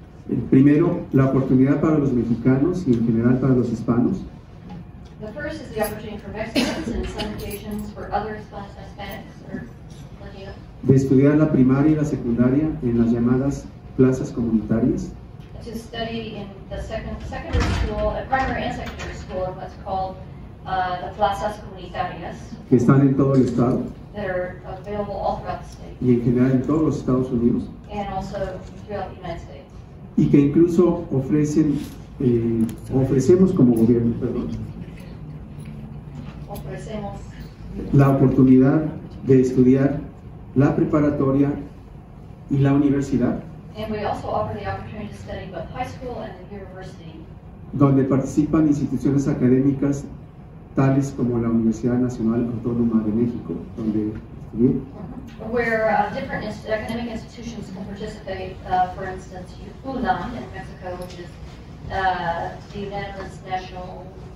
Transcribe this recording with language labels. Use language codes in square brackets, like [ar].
[es] El primero, la oportunidad para los mexicanos y en general para los hispanos. [en] The first is the opportunity for Mexicans and in some occasions for other Hispanics or Latinos. [es] De estudiar la primaria y la secundaria en las llamadas plazas comunitarias. [en] To study in the secondary school, primary and secondary school, what's called the plazas comunitarias. [es] Que están en todo el estado. [en] That are available all throughout the state. [es] Y en general en todos los Estados Unidos. [en] And also throughout the United States. [es] Y que incluso ofrecen, ofrecemos como gobierno, perdón, ofrecemos la oportunidad de estudiar la preparatoria y la universidad, [en] and we also offer the opportunity to study both high school and the university, [es] donde participan instituciones académicas tales como la Universidad Nacional Autónoma de México, donde estudié. [en] Where different academic institutions can participate, for instance, UNAM in Mexico, which is the Unanimous National